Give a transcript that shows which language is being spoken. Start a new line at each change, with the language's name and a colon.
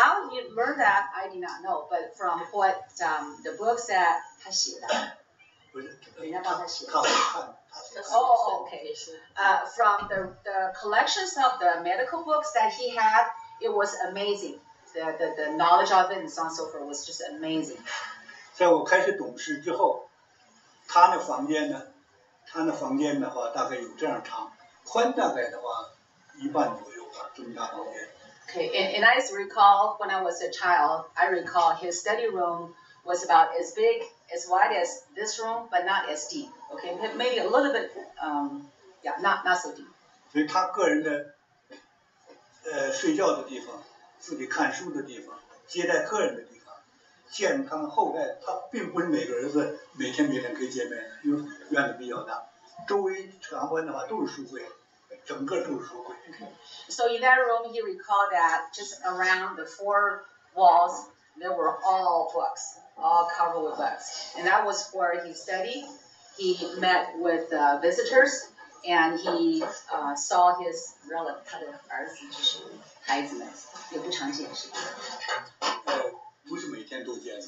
English: he learned that, I did not know, but from what the books that
Chinese: 他写的，人家帮他写的。
English: Oh, okay. From the collections of the medical books that he had, it was amazing. The knowledge of it and so on so forth was just amazing.
Chinese: 在我开始懂事之后。他那房间呢？他那房间的话，大概有这样长，宽大概的话，一半左右吧，这么大房间。Okay,
English: and I recall when I was a child, I recall his study room was about as big as wide as this room, but not as deep. Okay, maybe a little bit, yeah, not so deep.
Chinese: 所以他个人的睡觉的地方，自己看书的地方，接待客人的地方，健康后代，他并不是每个人是每天每天可以见面的，因为院子比较大，周围常温的话都是书柜，整个都是书柜。
English: So in that room, he recalled that just around the four walls, there were all books, all covered with books. And that was where he studied. He met with visitors, and he saw his relatives.